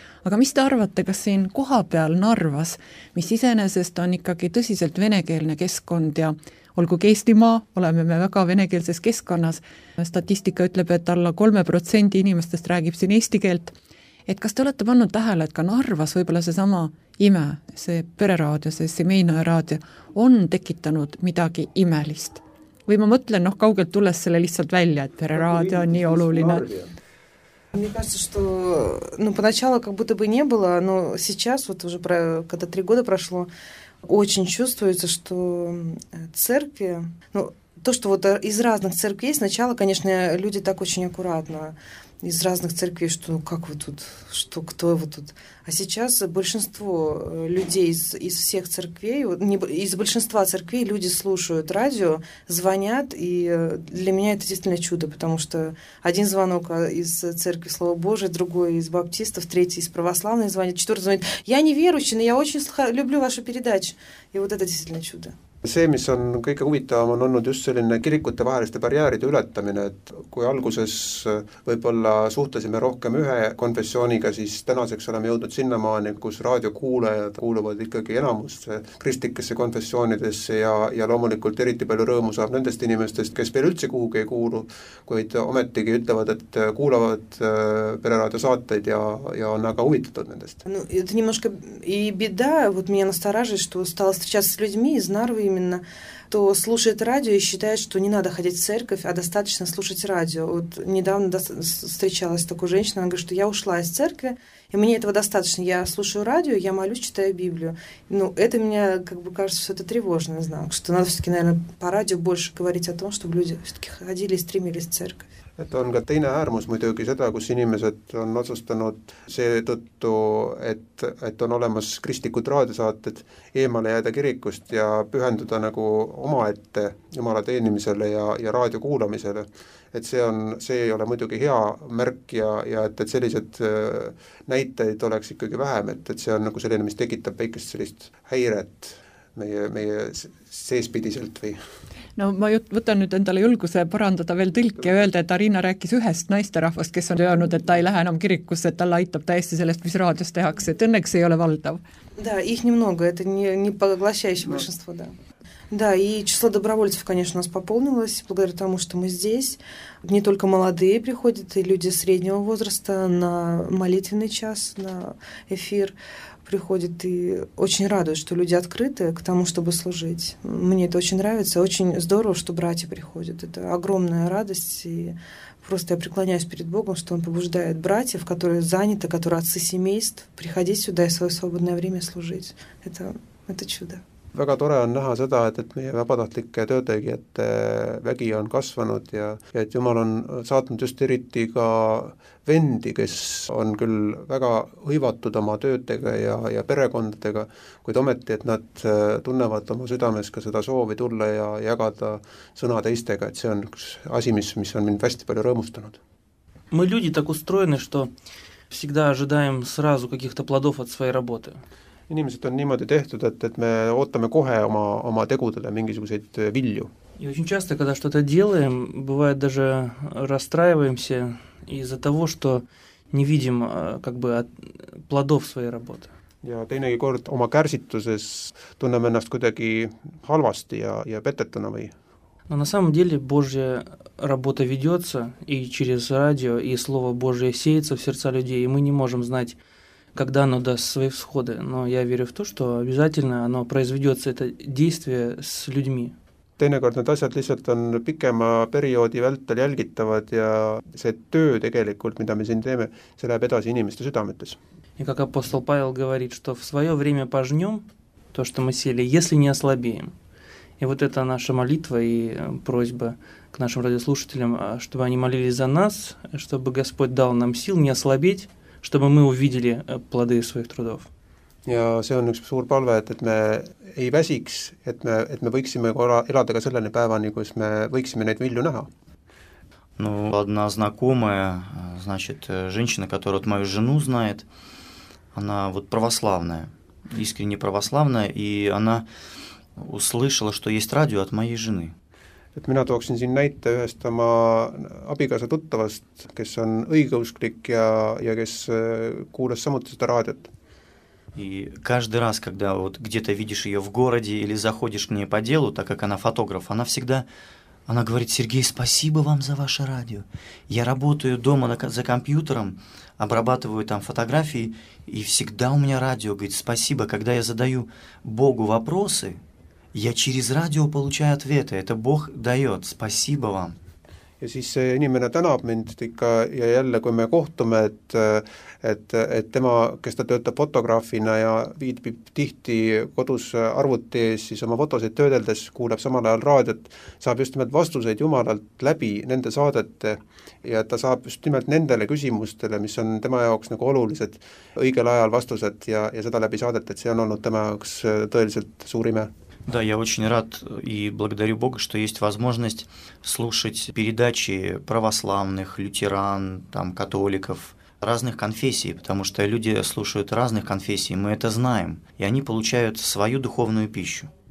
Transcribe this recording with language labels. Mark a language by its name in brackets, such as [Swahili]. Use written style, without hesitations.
[Estonian] Aga mis te arvate, kas siin koha peal Narvas, mis isenesest on ikkagi tõsiselt venekeelne keskkond ja olgu Eestimaa, oleme me väga venekeelses keskkonnas, statistika ütleb, et alla 3% inimestest räägib siin eesti keelt, et kas te olete pannud tähele, et ka Narvas võibolla see sama ime, see pereraadio, see Semeinoja raadio, on tekitanud midagi imelist? Või ma mõtlen, noh, kaugelt tulles selle lihtsalt välja, et pereraadio on nii oluline. [Russian] Мне кажется, что ну, поначалу как будто бы не было, но сейчас, вот уже когда 3 года прошло, очень чувствуется, что церкви, ну, то, что вот из разных церквей, сначала, конечно, люди так очень аккуратно, из разных церквей, что как вы тут, что кто вы тут. А сейчас большинство людей из всех церквей, из большинства церквей люди слушают радио, звонят, и для меня это действительно чудо, потому что один звонок из церкви Слова Божия, другой из баптистов, третий из православной звонит, четвертый звонит. Я не верующий, но я очень люблю вашу передачу. И вот это действительно чудо. [Estonian] See, mis on kõige huvitavam, on olnud just selline kirikute vaheliste barjääride ületamine, et kui alguses võib-olla suhtlesime rohkem ühe konfessiooniga, siis tänaseks oleme jõudnud sinnamaani, kus raadiokuulajad kuuluvad ikkagi enamusse kristlikesse konfessioonidesse ja loomulikult eriti palju rõõmu saab nendest inimestest, kes veel üldse kuhugi ei kuulu, kuid ometigi ütlevad, et kuulavad pereraadio saateid ja on aga huvitatud nendest. [Russian] No, это немножко и беда, вот меня насторожит, что стало встречаться с людьми из Нарвы именно, то слушает радио и считает, что не надо ходить в церковь, а достаточно слушать радио. Вот недавно встречалась такая женщина, она говорит, что я ушла из церкви, и мне этого достаточно. Я слушаю радио, я молюсь, читаю Библию. Ну, это мне, как бы, кажется, что это тревожный знак, что надо все-таки, наверное, по радио больше говорить о том, чтобы люди все-таки ходили и стремились в церковь. [Estonian] Et on ka teine äärmus muidugi seda, kus inimesed on otsustanud see tõttu, et on olemas kristlikud raadiosaated eemale jääda kirikust ja pühenduda nagu oma ette jumala teenimisele ja raadio kuulamisele. Et see ei ole muidugi hea märk ja et sellised näiteid oleks ikkagi vähem, et see on nagu selline, mis tekitab väikest sellist häiret meie seespidiselt või... No ma võtan nüüd endale julguse parandada veel tõlki ja öelda, et Arina rääkis ühest naisterahvast, kes on öelnud, et ta ei lähe enam kirikusse, et tal aitab täiesti sellest, mis raadios tehakse, et õnneks ei ole valdav. [Russian] Да, их немного, это не поглощающее большинство, да. Да, и число добровольцев, конечно, у нас пополнилось, благодаря тому, что мы здесь. Не только молодые приходят, и люди среднего возраста на молитвенный час, на эфир приходят. И очень радует, что люди открыты к тому, чтобы служить. Мне это очень нравится. Очень здорово, что братья приходят. Это огромная радость. И просто я преклоняюсь перед Богом, что Он побуждает братьев, которые заняты, которые отцы семейств, приходить сюда и свое свободное время служить. Это чудо. [Estonian] Väga tore on näha seda, et meie vabatahtlike töötegijate vägi on kasvanud ja et Jumal on saatnud just eriti ka vendi, kes on küll väga hõivatud oma töötega ja perekondadega, kuid ometi, et nad tunnevad oma südames ka seda soovi tulla ja jagada sõna teistega, et see on üks asi, mis on mind hästi palju rõõmustanud. [Russian] Мы люди так устроены, что всегда ожидаем сразу каких-то плодов от своей работы. [Estonian] Inimesed on niimoodi tehtud, et me ootame kohe oma tegudele mingisuguseid vilju. [Russian] И очень часто, когда что-то делаем, бывает даже расстраиваемся из-за того, что не видим как бы плодов своей работы. [Estonian] Ja teinegi kord oma kärsituses tunneme ennast kuidagi halvasti ja petetuna või? [Russian] Но на самом деле Божья работа ведется и через радио, и Слово Божие сеется в сердца людей, и мы не можем знать, когда оно даст свои всходы, но я верю в то, что обязательно оно произведется, это действие с людьми. [Estonian] Teinekord need asjad lihtsalt on pikema perioodi vältel jälgitavad ja see töö tegelikult, mida me siin teeme, see läheb edasi inimeste südametes. [Russian] И как апостол Павел говорит, что в свое время пожнем то, что мы сели, если не ослабеем. И вот это наша молитва и просьба к нашим радиослушателям, чтобы они молились за нас, чтобы Господь дал нам сил не ослабеть, чтобы мы увидели плоды своих трудов. [Estonian] Ja see on üks suur palve, et me ei väsiks, et me võiksime elada ka selleni päevani, kus me võiksime neid vilju näha. [Russian] Ну, одна знакомая значит, женщина, которая вот мою жену знает, она вот православная, искренне православная, и она услышала, что есть радио от моей жены. [Estonian] Et mina tooksin siin näite ühest oma abikaasa tuttavast, kes on õigeusklik ja kes kuulas samuti seda raadiot. [Russian] И каждый раз, когда вот где-то видишь ее в городе или заходишь к ней по делу, так как она фотограф, она всегда, она говорит: «Сергей, спасибо вам за ваше радио. Я работаю дома за компьютером, обрабатываю там фотографии, и всегда у меня радио». Говорит: «Спасибо, когда я задаю Богу вопросы, я через радио получаю ответы. Это Бог дает. Спасибо вам». [Estonian] Ja siis see inimene tänab mind ikka ja jälle, kui me kohtume, et tema, kes ta töötab fotograafina ja viitab tihti kodus arvuti ees, siis oma fotoseid töödeldes kuuleb samal ajal raadiot, saab just nimelt vastuseid Jumalalt läbi nende saadete ja ta saab just nimelt nendele küsimustele, mis on tema jaoks nagu olulised õigel ajal vastused ja seda läbi saadet, et see on olnud tema jaoks tõeliselt suur ime. [Russian] Да, я очень рад и благодарю Бога, что есть возможность слушать передачи православных, лютеран, там, католиков, разных конфессий, потому что люди слушают разных конфессий, мы это знаем, и они получают свою духовную пищу.